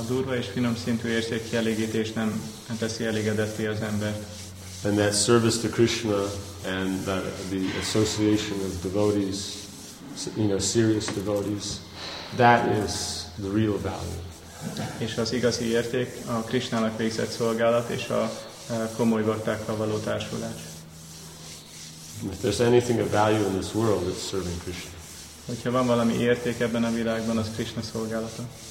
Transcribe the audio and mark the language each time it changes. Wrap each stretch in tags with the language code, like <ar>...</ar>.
<hu>A durva és finom szintű érzékkielégítés nem teszi elégedetté az embert.</hu> <en>And that service to Krishna and the association of devotees, you know, serious devotees, that is the real value.</en> <hu>És az igazi érték a Krishnának végzett szolgálat és a komoly baktákkal való társulás.</hu> <en>If there's anything of value in this world, it's serving Krishna.</en> <hu>Hogyha van valami érték ebben a világban, az Krishna szolgálata.</hu>